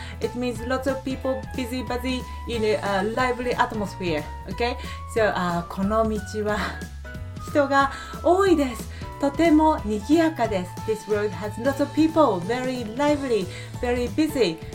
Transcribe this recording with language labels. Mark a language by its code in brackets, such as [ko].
[en] It means lots of people, busy, you know, lively atmosphere, okay? [ja] So, この道は人が多いです. とても賑やかです. [en] This road has lots of people, very lively, very busy.